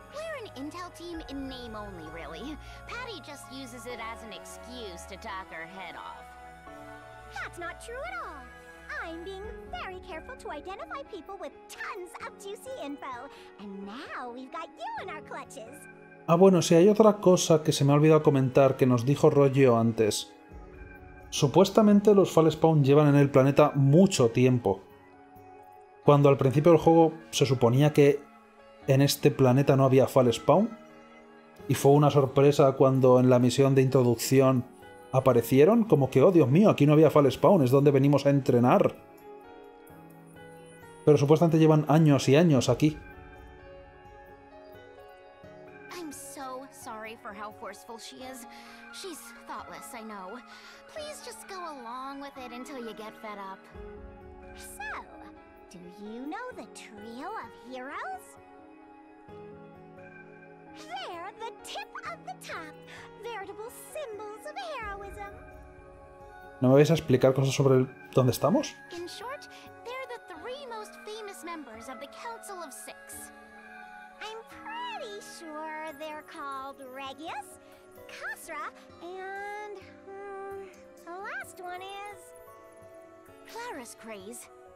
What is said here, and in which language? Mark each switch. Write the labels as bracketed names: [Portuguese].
[English] We're an intel team in name only, really. Patty just uses it as an excuse to talk her head off. That's not true at all. I'm being very careful to identify people with tons of juicy info. And now we've got you in our clutches. [Spanish] Ah, bueno, sí, hay otra cosa que se me ha olvidado comentar que nos dijo Rollo antes. Supuestamente los Falespawn llevan en el planeta mucho tiempo. Cuando al principio del juego se suponía que en este planeta no había Falespawn, y fue una sorpresa cuando en la misión de introducción aparecieron, como que, oh Dios mío, aquí no había Falespawn, es donde venimos a entrenar. Pero supuestamente llevan años y años aquí. [English] I'm so sorry for how forceful she is. She's thoughtless, I know. Please just go along with it until you get fed up. So, do you know the trio of heroes? They're the tip of the top, veritable symbols of heroism. [Spanish] ¿No me vais a explicar cosas sobre dónde estamos? [English] In short, they're the three most famous members of the Council of Six. I'm pretty sure they're called Regius, Kasra, and... the last one is... Clarus Craze.